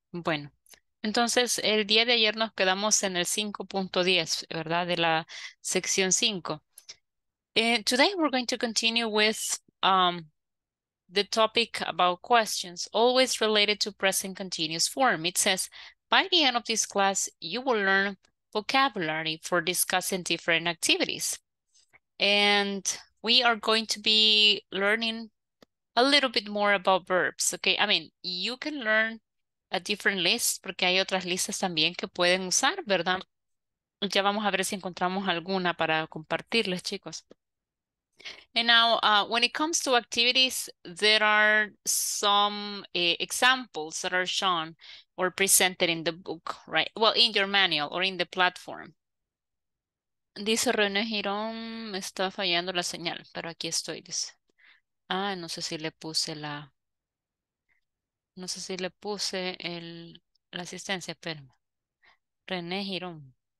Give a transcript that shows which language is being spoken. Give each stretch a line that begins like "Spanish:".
Spanish: Bueno, entonces el día de ayer nos quedamos en el 5.10, ¿verdad? De la sección 5.
English: Today we're going to continue with the topic about questions, always related to present continuous form. It says, by the end of this class, you will learn vocabulary for discussing different activities. And we are going to be learning a little bit more about verbs, okay? I mean, you can learn a different list,
Spanish: porque hay otras listas también que pueden usar, ¿verdad? Ya vamos a ver si encontramos alguna para compartirles, chicos.
English: And now, when it comes to activities, there are some examples that are shown or presented in the book, right? Well, in your manual or in the platform.
Spanish: Dice René Girón, está fallando la señal, pero aquí estoy, dice. Ah, no sé si le puse la, no sé si le puse el, la asistencia, espérame. René Girón.